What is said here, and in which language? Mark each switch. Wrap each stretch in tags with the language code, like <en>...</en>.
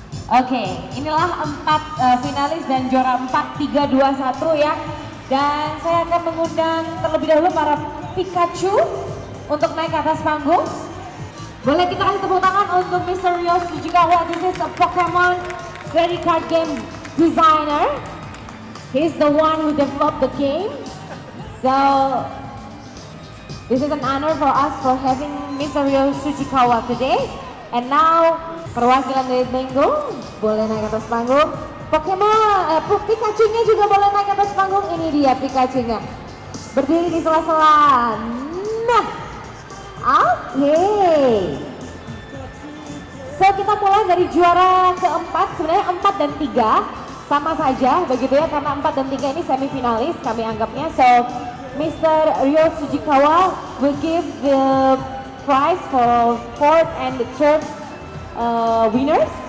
<id>Oke, inilah 4 finalis dan juara 4, 3, 2, 1 ya. Dan saya akan mengundang terlebih dahulu para Pikachu untuk naik ke atas panggung. Boleh kita kasih tepuk tangan untuk Mr. Ryo Tsujikawa.</id> <en>This is a Pokemon credit card game designer. He's the one who developed the game. So, this is an honor for us for having Mr.</en> <id>Ryo Tsujikawa</id> <en>today. And now,</en> <id>perwakilan dari Bengo boleh naik atas panggung. Pikachu-nya juga boleh naik atas panggung. Ini dia Pikachu-nya. Berdiri di sela-sela. Nah. Oke. So, kita mulai dari juara keempat. Sebenarnya 4 dan 3 sama saja begitu ya, karena 4 dan 3 ini semifinalis kami anggapnya.</id> <en>So, Mr. Ryo Tsujikawa will give the prize for fourth and the third winners.</en>